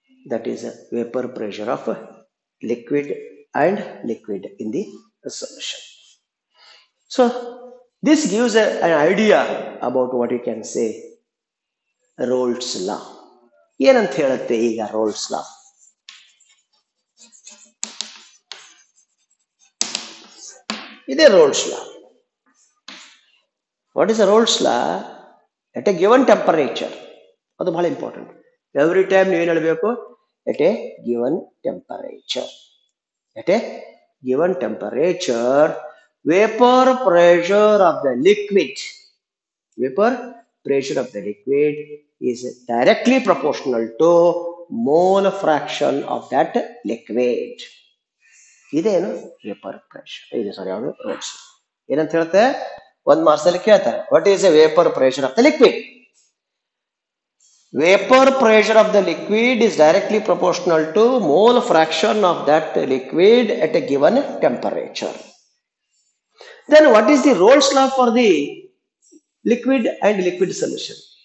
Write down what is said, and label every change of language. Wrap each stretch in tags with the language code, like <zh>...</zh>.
<en>That is a vapor pressure of liquid and liquid in the solution. So this gives an idea about what you can say Rolle's law.</en> <kn>ಏನಂತ ಹೇಳುತ್ತೆ ಈಗ Rolle's law? ಇದೇ Rolle's law.</kn> <en>What is a Rolle's law? At a given temperature,</en> <kn>ಅದು ಬಹಳ</kn> <en>important. Every time</en> <kn>ನೀವು ಏನ್ ಹೇಳಬೇಕು,</kn> <en>at a given temperature. At a given temperature, vapor pressure of the liquid, vapor pressure of the liquid is directly proportional to mole fraction of that liquid.</en> <kn>ಇದೇನು vapour pressure, ಇದು ಸಾರಿ ಅವರು rolls ಏನಂತ ಹೇಳುತ್ತೆ, ಒಂದ್ marks ಅಲ್ಲಿ ಕೇಳ್ತಾರೆ</kn> <en>What is a vapour pressure of the liquid. Vapor pressure of the liquid is directly proportional to mole fraction of that liquid at a given temperature. Then what is the Rolle's law for the liquid and liquid solution?</en>